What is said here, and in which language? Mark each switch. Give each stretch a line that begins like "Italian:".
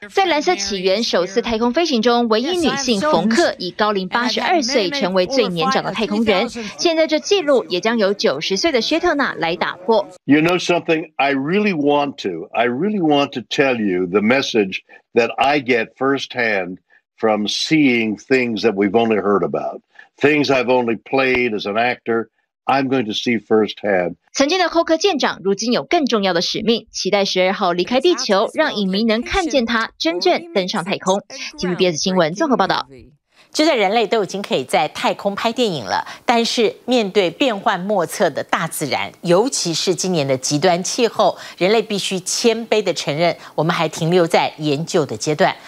Chinese: 在蓝色起源首次太空飞行中，唯一女性冯克以高龄82岁成为最年长的太空人。现在这记录也将由90岁的薛特纳来打破。
English: You know something? I really want to tell you the message that I get firsthand from seeing things that we've only heard about. Things I've only played as an actor, I'm going to see firsthand.
Chinese: 曾经的寇克舰长如今有更重要的使命，期待十二号离开地球，让影迷能看见他真正登上太空。 TVBS 新闻综合报道。就算人类都已经可以在太空拍电影了，但是面对变幻莫测的大自然，尤其是今年的极端气候，人类必须谦卑地承认，我们还停留在研究的阶段。